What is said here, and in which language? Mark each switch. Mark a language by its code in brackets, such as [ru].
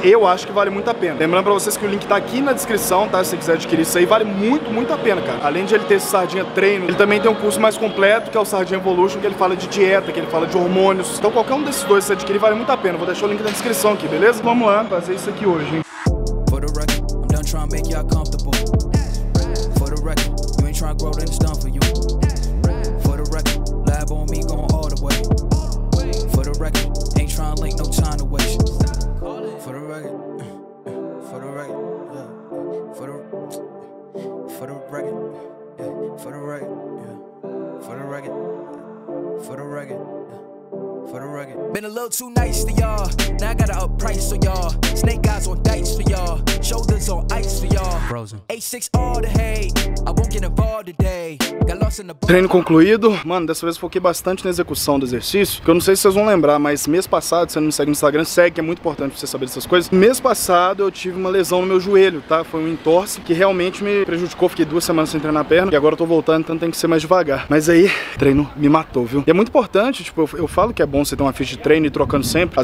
[pt] Eu acho que vale muito a pena. Lembrando pra vocês que o link tá aqui na descrição, tá? Se você quiser adquirir isso aí, vale muito, muito a pena, cara. Além de ele ter esse Sardinha Treino, ele também tem um curso mais completo, que é o Sardinha Evolution, que ele fala de dieta, que ele fala de hormônios. Então qualquer um desses dois, se adquirir, vale muito a pena. Vou deixar o link na descrição aqui, beleza? Vamos lá fazer isso aqui hoje, hein? [en] Trying to make y'all comfortable. For the record, you ain't trying to grow, then it's done for you. For the record, lab on me going all the way. For the record, ain't trying to link, no time to waste. For the record, for the record, for the record, for the record, for the record, yeah. For the record. For the record. For the record. Been a little too nice to y'all. Now I gotta up price for y'all. Snake eyes on dice for y'all. Shoulders on ice for y'all. Frozen. A6 all the hate. I won't get involved today. [pt] Treino concluído. Mano, dessa vez foquei bastante na execução do exercício. Que eu não sei se vocês vão lembrar, mas mês passado, se você não me segue no Instagram, segue, que é muito importante pra você saber dessas coisas. Mês passado eu tive uma lesão no meu joelho, tá? Foi um entorse que realmente me prejudicou. Fiquei 2 semanas sem treinar a perna. E agora eu tô voltando, então tem que ser mais devagar. Mas aí, treino me matou, viu? E é muito importante, tipo, eu falo que é bom você ter uma ficha de treino e ir trocando sempre.